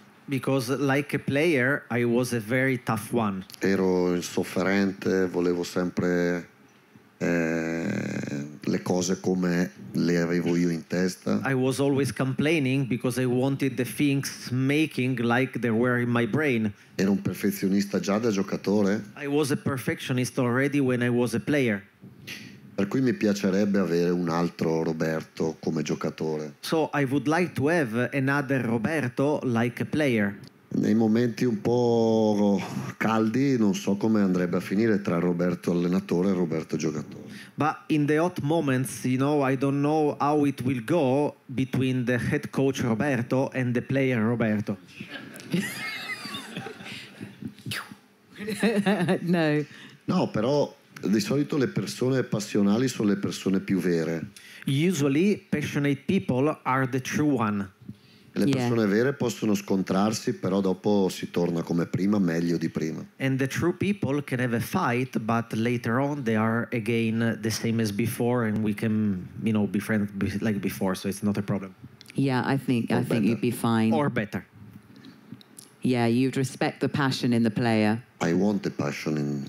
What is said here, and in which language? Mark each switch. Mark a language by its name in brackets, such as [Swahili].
[English] Because like a player I was a very tough one. [Italian] Ero insofferente, volevo sempre le cose come le avevo io in testa. [English] I was always complaining because I wanted the things making like they were in my brain. [Italian] Ero un perfezionista già da giocatore. [English] I was a perfectionist already when I was a player. [Italian] Per cui mi piacerebbe avere un altro Roberto come giocatore. [English] So I would like to have another Roberto like a player. [Italian] Nei momenti un po' caldi non so come andrebbe a finire tra Roberto allenatore e Roberto giocatore. [English] But in the hot moments, you know, I don't know how it will go between the head coach Roberto and the player Roberto. [Italian] No, però... di solito le persone passionali sono le persone più vere. [English] Usually passionate people are the true one. [Italian] Le persone vere possono scontrarsi, però dopo si torna come prima, meglio di prima. [English] And the true people can have a fight, but later on they are again the same as before, and we can, you know, be friends like before, so it's not a problem. Yeah, I think you'd be fine. Or better. Yeah, you'd respect the passion in the player. I want the passion in.